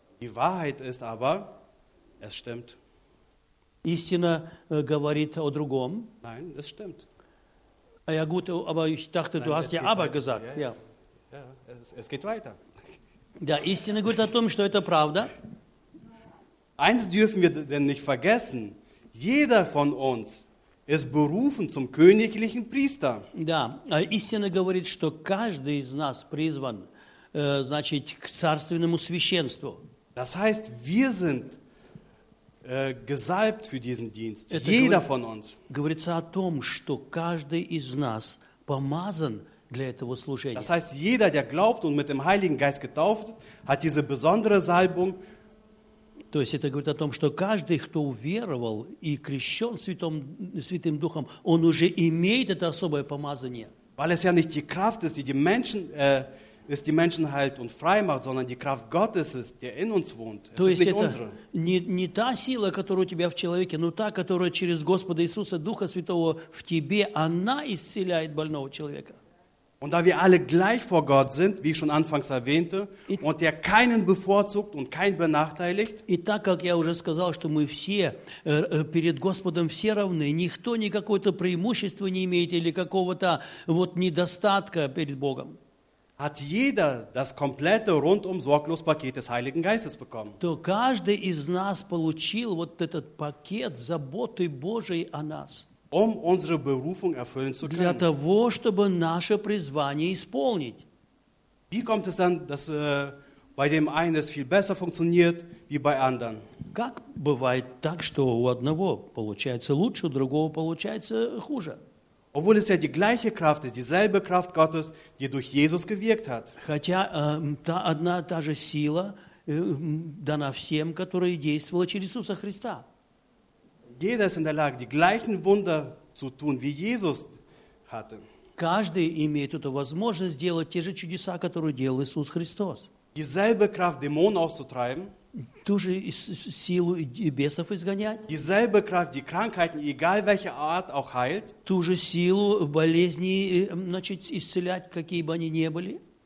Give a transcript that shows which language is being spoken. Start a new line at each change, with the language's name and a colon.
German: Die Wahrheit ist aber, es stimmt.
Russian: Истина говорит о другом.
German: Nein, es stimmt. Ja gut, aber ich dachte, nein, du hast ja aber gesagt. Ja, ja. Ja, es geht weiter.
Russian: Ja, истина говорит о том, что это правда.
German: Eins dürfen wir denn nicht vergessen. Jeder von uns ist berufen zum königlichen Priester.
Russian: Да, истина говорит, что каждый из нас призван, значит, к царственному священству.
German: Das heißt, wir sind gesalbt für diesen Dienst.
Russian: Это
German: jeder von uns.
Russian: Говорится о том, что каждый из нас помазан для этого служения.
German: Das heißt, jeder, der glaubt und mit dem Heiligen Geist getauft, hat diese besondere Salbung.
Russian: То есть это говорит о том, что каждый, кто уверовал и крещен Святым Духом, он уже имеет это особое помазание.
German: Weil es ja nicht die Kraft ist, die Menschen heilt und frei macht, sondern die Kraft Gottes ist, der in uns wohnt.
Russian: То есть это не та сила, которая у тебя в человеке, но та, которая через Господа Иисуса Духа Святого в тебе, она исцеляет больного человека.
German: Und da wir alle gleich vor Gott sind, wie ich schon anfangs erwähnte, und er keinen bevorzugt und keinen benachteiligt,
Russian: и так как я уже сказал, что мы все перед Господом все равны, никто никакого-то преимущества не имеет или какого-то вот недостатка перед Богом,
German: hat jeder das komplette rundum sorglos Paket des Heiligen Geistes bekommen.
Russian: То каждый из нас получил вот этот пакет заботы Божией о нас.
German: Um unsere Berufung erfüllen zu können.
Russian: Для того, чтобы наше призвание исполнить.
German: Wie kommt es dann, dass bei dem einen es viel besser funktioniert, wie bei anderen?
Russian: Как бывает так, что у одного получается лучше, у другого получается хуже?
German: Obwohl es ja die gleiche Kraft ist, dieselbe Kraft Gottes, die durch Jesus gewirkt hat.
Russian: Хотя одна та же сила дана всем, которые действовали через Иисуса Христа.
German: Jeder ist in der Lage, die gleichen Wunder zu tun, wie Jesus hatte.
Russian: Каждый имеет эту возможность сделать те же чудеса, которые делал Иисус Христос.
German: Dieselbe Kraft, Dämonen auszutreiben.
Russian: Ту же силу бесов изгонять.
German: Dieselbe Kraft, die Krankheiten, egal welche Art, auch heilt.
Russian: Ту же силу болезни, значит, исцелять, какие бы они ни были.